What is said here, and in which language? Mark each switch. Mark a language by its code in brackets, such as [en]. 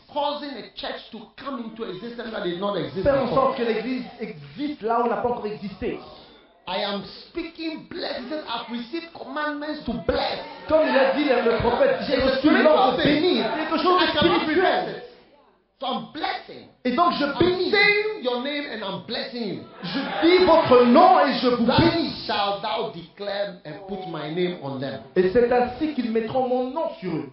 [en] Causing a church to come into existence that did not exist. [fr] Faire en sorte que l'église existe là où elle n'a pas encore existé. [en] I am speaking blessings. I've received commandments to bless. [fr] Comme il a dit le prophète, j'ai reçu l'ordre de bénir. Quelque chose de spirituel. [en] So I'm blessing. [fr] Et donc je bénis. [en] I'm saying your name and I'm blessing you. [fr] Je dis votre nom et je vous [en] that [fr] bénis. [en] Shall thou declare and put my name on them. [fr] Et c'est ainsi qu'ils mettront mon nom sur eux.